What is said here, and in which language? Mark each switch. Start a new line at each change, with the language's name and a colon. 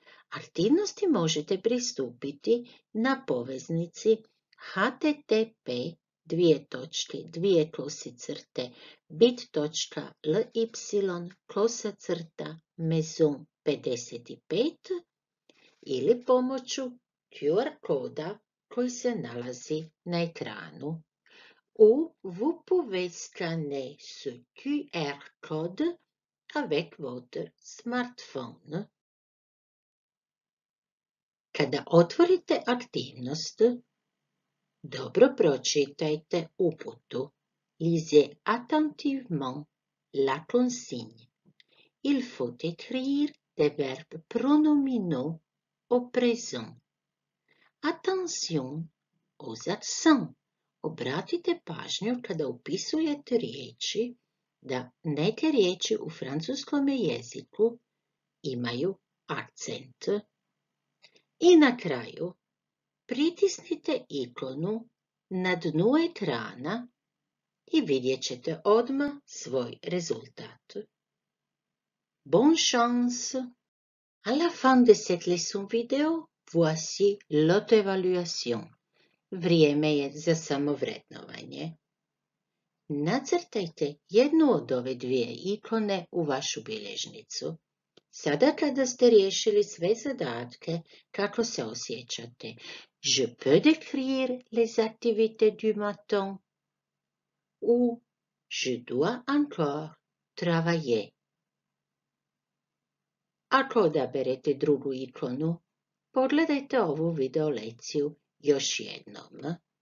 Croatian: Aktivnosti možete pristupiti na poveznici http://bit.ly/maison55 ili pomoću QR koda koji se nalazi na ekranu.
French: Où vous pouvez scanner ce QR code avec votre smartphone.
Croatian: Kada otvorite aktivnost, dobro pročitajte uputu.
French: Lisez attentivement la consigne. Il faut écrire des verbes pronominaux au présent. Attention aux accents.
Croatian: Obratite pažnju kada upisujete riječi da neke riječi u francuskom jeziku imaju akcent. I na kraju pritisnite ikonu na dnu ekrana i vidjet ćete odmah svoj rezultat.
French: Bon chance! À la fin de cette leçon vidéo, voici l'auto-évaluation.
Croatian: Vrijeme je za samovrednovanje. Nacrtajte jednu od ove dvije ikone u vašu bilježnicu. Sada kada ste riješili sve zadatke, kako se osjećate?
French: Je peux décrire les activités du matin? Ou je dois encore travailler?
Croatian: Ako odaberete drugu ikonu, pogledajte ovu video lekciju još jednom.